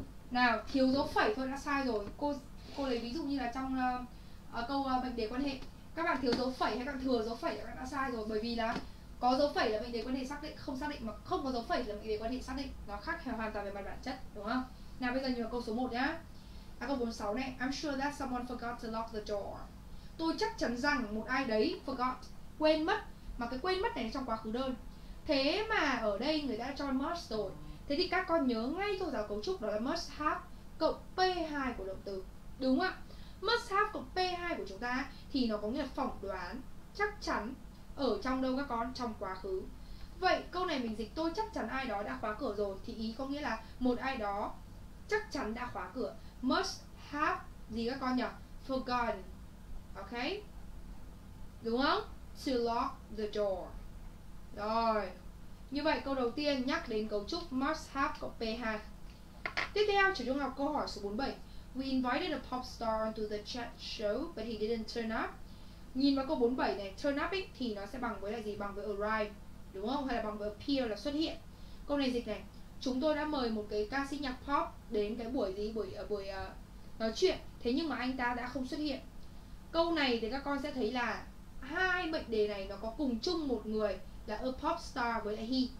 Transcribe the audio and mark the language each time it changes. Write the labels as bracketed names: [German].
[Vietnamese] Nào, thiếu dấu phẩy thôi đã sai rồi. Cô lấy ví dụ như là trong câu mệnh đề quan hệ. Các bạn thiếu dấu phẩy hay các bạn thừa dấu phẩy là các bạn đã sai rồi. Bởi vì là có dấu phẩy là mệnh đề quan hệ xác định, không xác định, mà không có dấu phẩy là mệnh đề quan hệ xác định. Nó khác hoàn toàn về mặt bản chất, đúng không? Nào, bây giờ nhìn vào câu số 1 nhá. À, câu 46 này. [English] I'm sure that someone forgot to lock the door. [Vietnamese] Tôi chắc chắn rằng một ai đấy forgot, quên mất. Mà cái quên mất này trong quá khứ đơn. Thế mà ở đây người ta cho must rồi. Thế thì các con nhớ ngay thôi giáo cấu trúc, đó là must have cộng P2 của động từ, đúng không ạ? Must have cộng P2 của chúng ta thì nó có nghĩa là phỏng đoán, chắc chắn. Ở trong đâu các con? Trong quá khứ. Vậy câu này mình dịch tôi chắc chắn ai đó đã khóa cửa rồi, thì ý có nghĩa là một ai đó chắc chắn đã khóa cửa. [English] Must have [Vietnamese] gì các con nhỉ? [English] Forgotten. Ok. [Vietnamese] Đúng không? [English] To lock the door. Rồi. [Vietnamese] Như vậy câu đầu tiên nhắc đến cấu trúc must have cộng P2. Tiếp theo chủ trung học câu hỏi số 47. [English] We invited a pop star onto the chat show but he didn't turn up. [Vietnamese] Nhìn vào câu 47 này, turn up ý, thì nó sẽ bằng với là gì? Bằng với arrive, đúng không? Hay là bằng với appear là xuất hiện. Câu này dịch này, chúng tôi đã mời một cái ca sĩ nhạc pop đến cái buổi gì? Buổi nói chuyện. Thế nhưng mà anh ta đã không xuất hiện. Câu này thì các con sẽ thấy là hai mệnh đề này nó có cùng chung một người là [English] a pop star [Vietnamese] với lại he.